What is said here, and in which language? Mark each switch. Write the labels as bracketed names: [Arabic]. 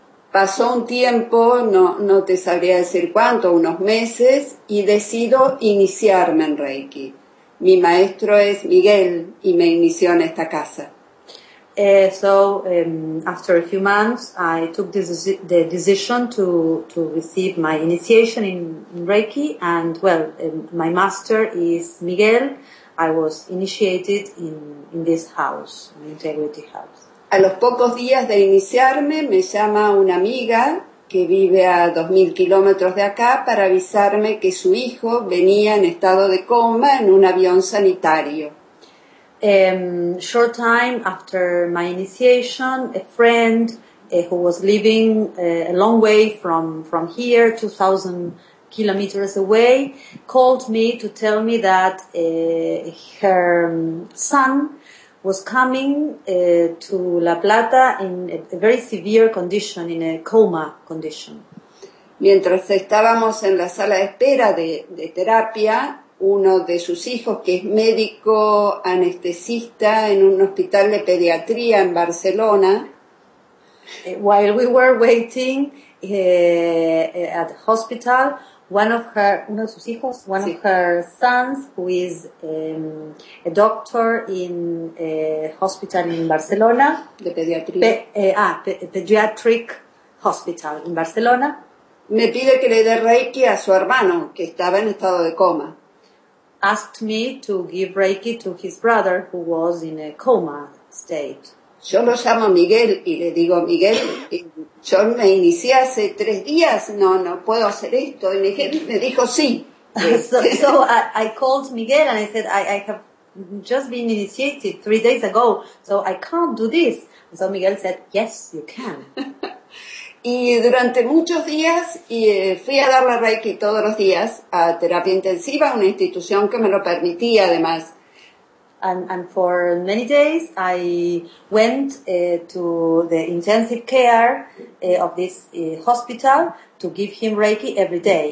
[Spanish] Pasó un tiempo, no te sabría decir cuánto, unos meses, y decido iniciarme en Reiki. Mi maestro es Miguel y me inició en esta casa. [English] After a few months, I took the decision to receive my initiation in Reiki, and well, my master is Miguel. I was initiated in this house, in Integrity House. [Spanish] A los pocos días de iniciarme, me llama una amiga que vive a 2.000 kilómetros de acá para avisarme que su hijo venía en estado de coma en un avión sanitario. [English] Short time after my initiation, a friend who was living a long way from here, 2,000 kilometers away, called me to tell me that her son was coming to La Plata in a very severe condition, in a coma condition. [Spanish] Mientras estábamos en la sala de espera de terapia, uno de sus hijos, que es médico anestesista en un hospital de pediatría en Barcelona. [English] While we were waiting at the hospital, one of her sons, who is a doctor in a hospital in Barcelona, [Spanish] de pediatría. [English] Pediatric hospital in Barcelona, [Spanish] me pide que le dé Reiki a su hermano, que estaba en estado de coma. [English] Asked me to give Reiki to his brother, who was in a coma state. [Spanish] Yo lo llamo Miguel y le digo, Miguel, yo me inicié hace 3 días, no puedo hacer esto. Y Miguel me dijo, sí. [English] So I called Miguel and I said, I have just been initiated 3 days ago, so I can't do this. So Miguel said, yes, you can. [Spanish] Y durante muchos días fui a darle Reiki todos los días a terapia intensiva, una institución que me lo permitía además. [English] And for many days, I went to the intensive care of this hospital to give him Reiki every day.